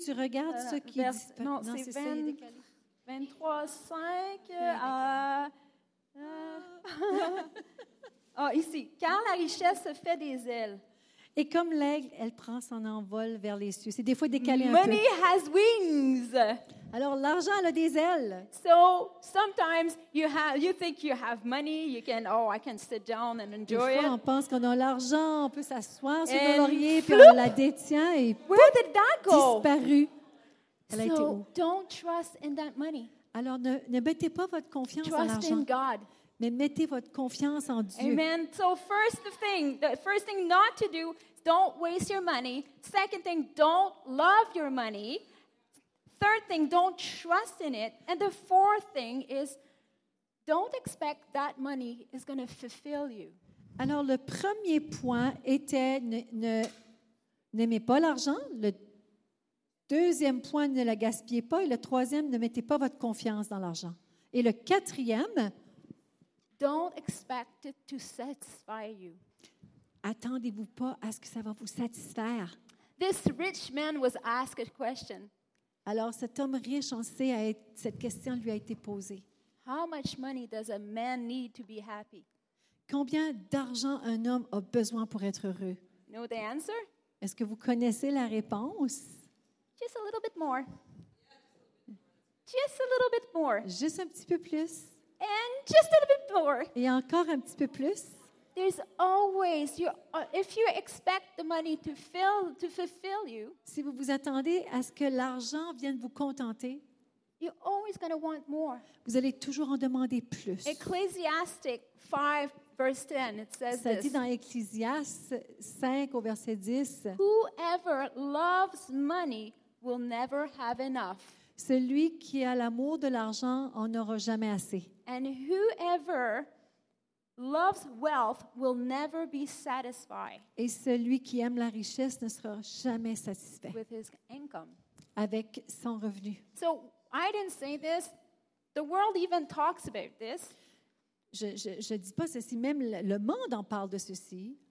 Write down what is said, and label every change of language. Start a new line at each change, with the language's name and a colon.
French: Tu regardes ce qui disparaît. Non, c'est 20. 23:5 ici, car la richesse se fait des ailes. Et comme l'aigle, elle prend son envol vers les cieux. C'est des fois décalé un
English: Money
French: peu.
English: Money has wings.
French: Alors l'argent elle a des ailes.
English: So sometimes you think you have money, you can I can sit down and enjoy
French: des fois,
English: it.
French: On pense qu'on a l'argent, on peut s'asseoir sur un laurier floop! Puis on la détient et
English: Where did that go?
French: Disparu.
English: So don't trust in that money.
French: Alors ne mettez pas votre confiance
English: trust
French: en l'argent.
English: In God.
French: Mais mettez votre confiance en Dieu.
English: Amen. So first the first thing not to do, don't waste your money. Second thing, don't love your money. Third thing, don't trust in it. And the fourth thing is don't expect that money is going to fulfill you.
French: Alors le premier point était n'aimez pas l'argent, le deuxième point, ne la gaspillez pas. Et le troisième, ne mettez pas votre confiance dans l'argent. Et le quatrième,
English: Don't expect it to satisfy you.
French: Attendez-vous pas à ce que ça va vous satisfaire.
English: This rich man was asked a question.
French: Alors, cet homme riche, on sait, cette question lui a été posée.
English: How much money does a man need to be happy?
French: Combien d'argent un homme a besoin pour être heureux?
English: Know the answer?
French: Est-ce que vous connaissez la réponse?
English: Just a little bit more. Just a little bit more.
French: Juste un petit peu plus.
English: And just a little bit more.
French: Et encore un petit peu plus.
English: There's always you. If you expect the money to fulfill you.
French: Si vous vous attendez à ce que l'argent vienne vous contenter.
English: You're always going to want more.
French: Vous allez toujours en demander plus.
English: Ecclesiastes 5, verse 10, it says this.
French: Ça dit dans Ecclésiaste 5, au verset 10.
English: Whoever loves money will never have enough.
French: Celui qui a l'amour de l'argent en aura jamais assez.
English: And whoever loves wealth will never be satisfied.
French: Et celui qui aime la richesse ne sera jamais satisfait.
English: With his income.
French: Avec son revenu.
English: So, I didn't say this. The world even talks about this.
French: Je dis pas ceci, même le monde en parle de ceci.